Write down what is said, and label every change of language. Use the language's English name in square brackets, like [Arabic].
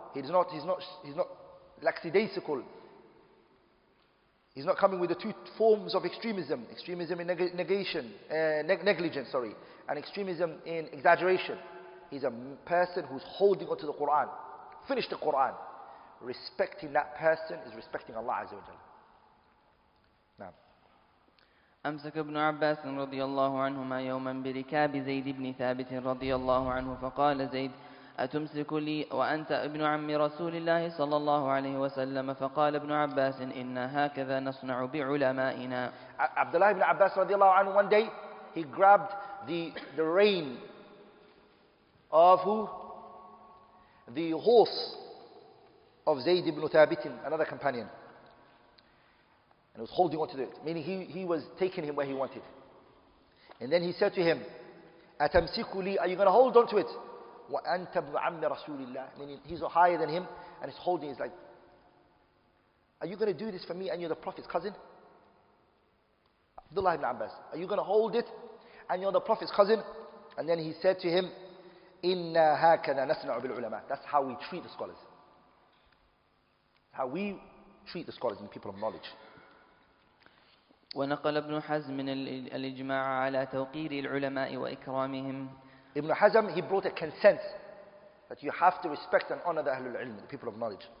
[English] He's not lackadaisical. He's not coming with the two forms of extremism. Extremism in negligence, and extremism in exaggeration. He's a person who's holding onto the Quran. Finished the Quran. Respecting that person is respecting Allah Azza wa Jalla. [Arabic] أمسك ابن عباس رضي الله عنهما يوما بركاب زيد بن ثابت رضي الله عنه فقال زيد أتمسك لي وأنت ابن عم رسول الله صلى الله عليه وسلم فقال ابن عباس إن هكذا نصنع بعلمائنا. [English] عبد الله بن عباس [Arabic] رضي الله عنه [English] one day he grabbed the rein of who? the horse of Zayd ibn Thabit, another companion. And he was holding on to it, meaning he was taking him where he wanted. And then he said to him, [Arabic] "Atamsiku li?" [English] Are you going to hold on to it? [Arabic] Wa anta ibn ammi Rasulillah, [English] meaning he's higher than him, and he's holding, he's like, are you going to do this for me and you're the Prophet's cousin? Abdullah ibn Abbas, are you going to hold it and you're the Prophet's cousin? And then he said to him, [Arabic] "Inna hakana nasna'u bil ulama." [English] That's how we treat the scholars. How we treat the scholars and people of knowledge. [Arabic] ونقل ابن حزم من الإجماع على توقير العلماء وإكرامهم. [English] Ibn Hazm, he brought a consent that you have to respect and honor the Ahlul Ilm, the people of knowledge.